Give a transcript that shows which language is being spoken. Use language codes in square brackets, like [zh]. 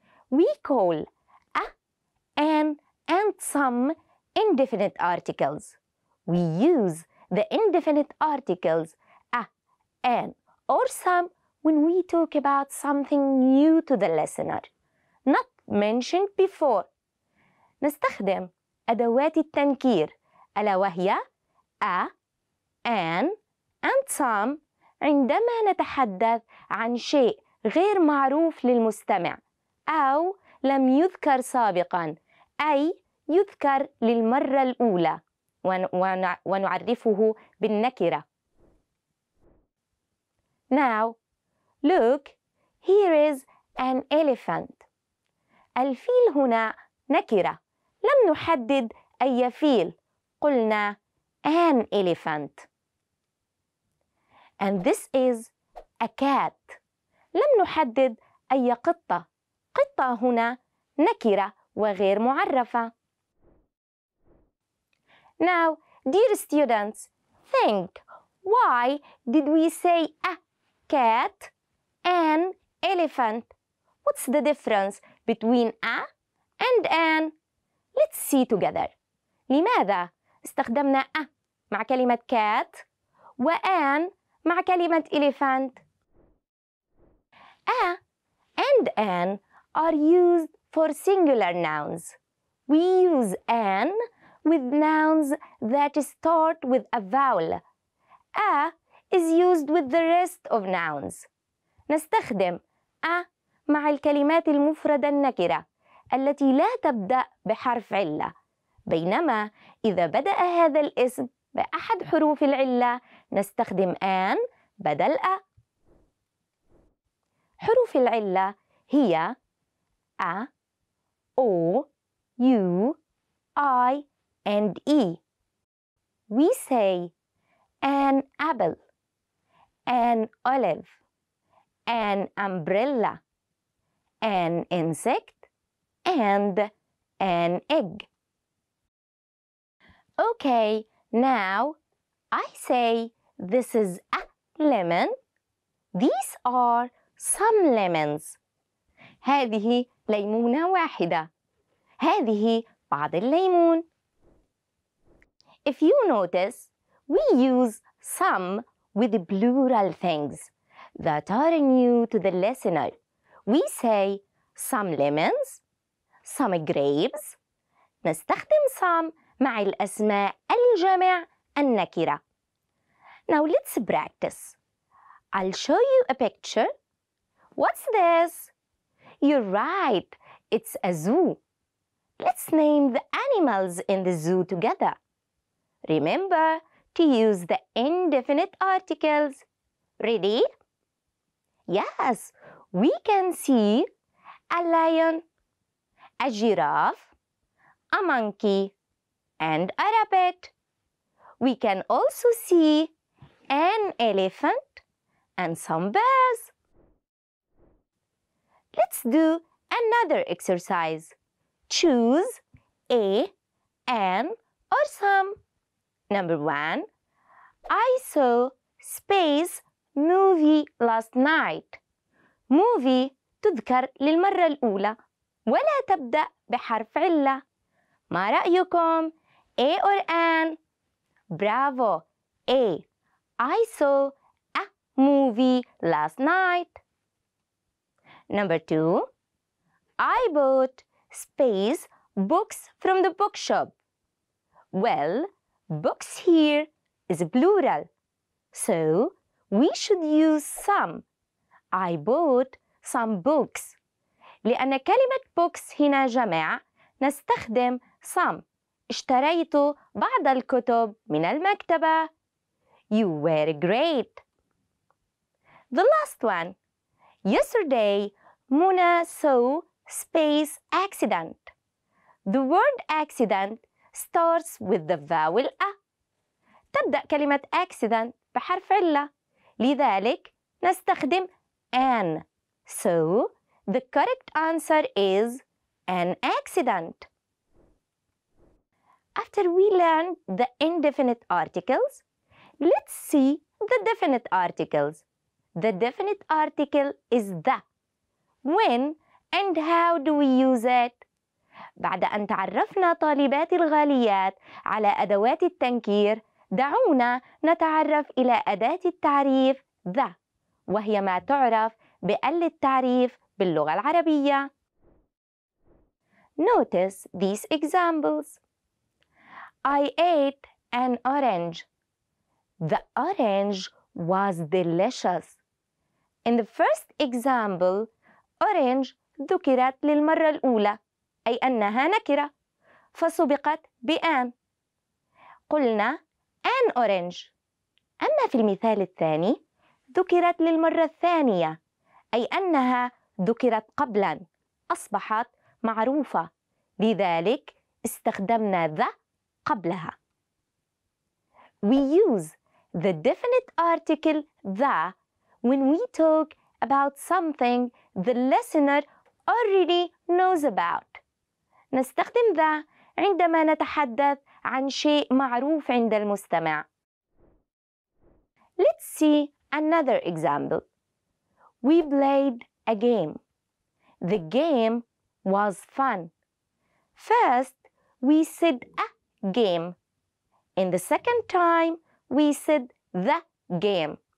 [en] We call a, an, and some indefinite articles. We use the indefinite articles a, an, or some when we talk about something new to the listener, not mentioned before. [ar] نستخدم أدوات التنكير ألا وهي a, an, and some عندما نتحدث عن شيء غير معروف للمستمع أو لم يذكر سابقاً أي يذكر للمرة الأولى ونعرفه بالنكرة. [en] Now, look, here is an elephant. [ar] الفيل هنا نكرة. لم نحدد أي فيل. قلنا an elephant. [en] And this is a cat. [ar] لم نحدد أي قطة. قطة هنا نكرة وغير معرفة. [en] Now, dear students, think. Why did we say a cat, an elephant? What's the difference between a and an? Let's see together. [ar] لماذا استخدمنا a مع كلمة cat وan مع كلمة elephant. [en] A and an are used for singular nouns. We use an with nouns that start with a vowel. A is used with the rest of nouns. [ar] نستخدم a مع الكلمات المفردة النكرة التي لا تبدأ بحرف علة. بينما إذا بدأ هذا الاسم بأحد حروف العلة نستخدم an بدل a. حروف العلة هي a, o, u, i, and e. [en] We say an apple, an olive, an umbrella, an insect, and an egg. Okay. Now, I say, this is a lemon. These are some lemons. [ar] هذه ليمونة واحدة. هذه بعض الليمون. [en] If you notice, we use some with plural things that are new to the listener. We say some lemons, some grapes. [ar] نستخدم some مع الأسماء الجمع النكرة. [en] Now let's practice. I'll show you a picture. What's this? You're right. It's a zoo. Let's name the animals in the zoo together. Remember to use the indefinite articles. Ready? Yes, we can see a lion, a giraffe, a monkey, and a rabbit. We can also see an elephant and some bears. Let's do another exercise. Choose a, an, or some. Number one, I saw space movie last night. [ar] Movie تذكر للمرة الأولى ولا تبدأ بحرف علة. ما رأيكم؟ [en] A or an? [ar] Bravo! A. [en] I saw a movie last night. Number two, I bought space books from the bookshop. Well, books here is plural, so we should use some. I bought some books. [ar] لأن كلمة books هنا جمع نستخدم some. اشتريت بعض الكتب من المكتبة. [en] You were great. The last one. Yesterday, Muna saw space accident. The word accident starts with the vowel A. [ar] تبدأ كلمة accident بحرف علة. لذلك نستخدم an. [en] So, the correct answer is an accident. After we learned the indefinite articles, let's see the definite articles. The definite article is the. When and how do we use it? [ar] بعد أن تعرفنا طالبات الغاليات على أدوات التنكير، دعونا نتعرف إلى أداة التعريف the، وهي ما تعرف بأل التعريف باللغة العربية. [en] Notice these examples. I ate an orange. The orange was delicious. In the first example, [ar] orange ذكرت للمرة الأولى، أي أنها نكرة، فسبقت بأن. قلنا an orange. أما في المثال الثاني، ذكرت للمرة الثانية، أي أنها ذكرت قبلا، أصبحت معروفة. لذلك استخدمنا the قبلها. [en] We use the definite article the when we talk about something the listener already knows about. [ar] نستخدم the عندما نتحدث عن شيء معروف عند المستمع. [en] Let's see another example. We played a game. The game was fun. First, we said a game. In the second time, we said the game.